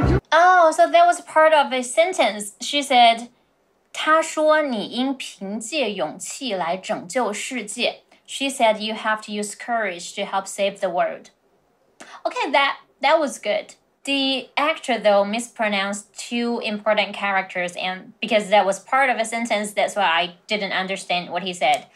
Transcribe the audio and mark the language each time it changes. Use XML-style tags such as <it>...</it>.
<en>Oh, so that was part of a sentence. She said,</en> <zh>她说你应凭借勇气来拯救世界。</zh> <en>She said you have to use courage to help save the world. Okay, that was good. The actor, though, mispronounced two important characters, and because that was part of a sentence, that's why I didn't understand what he said.</en>